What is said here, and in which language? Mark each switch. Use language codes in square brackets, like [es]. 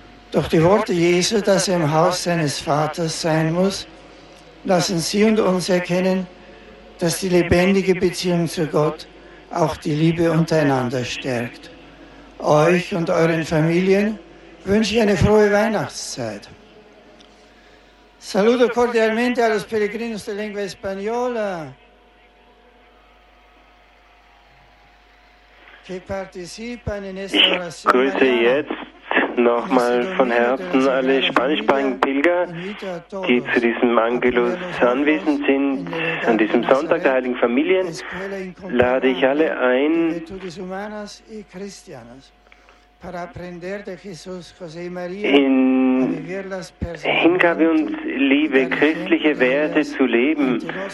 [de] Doch die Worte Jesu, dass er im Haus seines Vaters sein muss, lassen sie und uns erkennen, dass die lebendige Beziehung zu Gott auch die Liebe untereinander stärkt. Euch und euren Familien wünsche ich eine frohe Weihnachtszeit. [es] Saluto cordialmente a los peregrinos de lengua española. [de] Ich grüße jetzt nochmal von Herzen alle spanischsprachigen Pilger, die zu diesem Angelus anwesend sind, an diesem Sonntag der Heiligen Familien, lade ich alle ein, in Hingabe und Liebe christliche Werte zu leben.